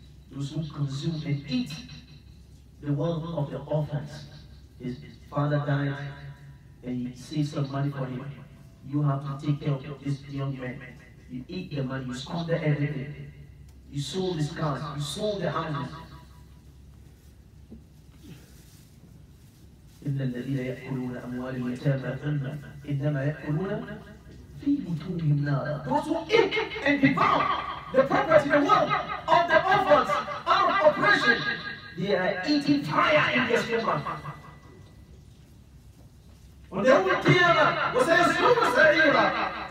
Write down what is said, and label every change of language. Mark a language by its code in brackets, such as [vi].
[en] Those who consume and eat the wealth of the orphans. His father died and he saved some money for him. You have to take care of this young man. You eat the money, you squander everything. You sold his cars, you sold the houses. [ar] إن الذين يأكلون أموال اليتامى ظلما إنما يأكلون في بطونهم نارا. [en] Those who eat and devour the property, the wealth of the orphans out of oppression, they are eating fire in their stomach. On the whole Qiyamah, [ar] وسيصلون سعيرا.